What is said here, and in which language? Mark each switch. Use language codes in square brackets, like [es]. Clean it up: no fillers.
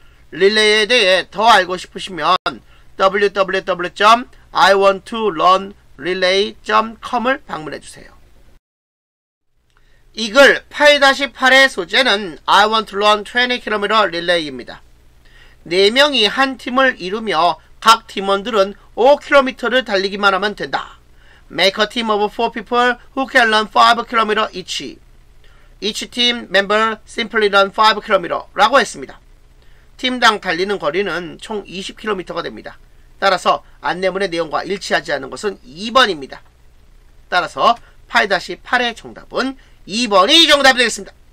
[ko] 릴레이에 대해 더 알고 싶으시면 www.iwanttorunrelay.com을 방문해주세요. 이 글 8-8의 소재는 I want to run 20km relay입니다. 4명이 한 팀을 이루며 각 팀원들은 5km를 달리기만 하면 된다. [en] Make a team of 4 people who can run 5km each. Each team member simply run 5km [ko] 라고 했습니다. 팀당 달리는 거리는 총 20km가 됩니다. 따라서 안내문의 내용과 일치하지 않은 것은 2번입니다. 따라서 8-8의 정답은 2번이 정답이 되겠습니다.